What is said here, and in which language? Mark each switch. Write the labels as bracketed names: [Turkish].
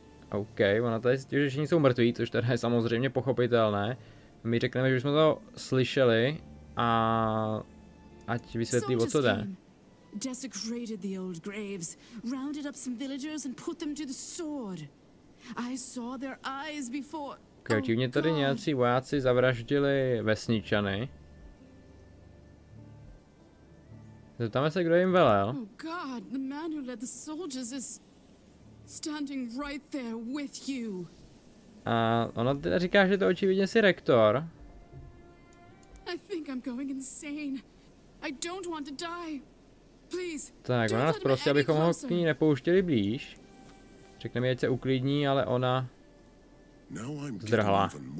[Czech] OK, ono to je, že všichni jsou mrtví, což teda je samozřejmě pochopitelné. My řekneme, že už jsme to slyšeli a ať vysvětlí, o co jde. [English] Desecrated the old graves, rounded up some villagers and put them to the sword. I saw their eyes before. [Czech] Kdyby tady nějací vojáci zavraždili vesničany. Zeptáme se, kdo jim velel. [English] Oh god, the man who led the soldiers is standing right there with you. [Czech] A ona teda říká, že to očividně si rektor. [English] I think I'm going insane. I don't want to die. [Czech] Tak, ona nás prosí, abychom ho k ní nepouštěli blíž. Řekne mi, ať se uklidní, ale ona zdrhla.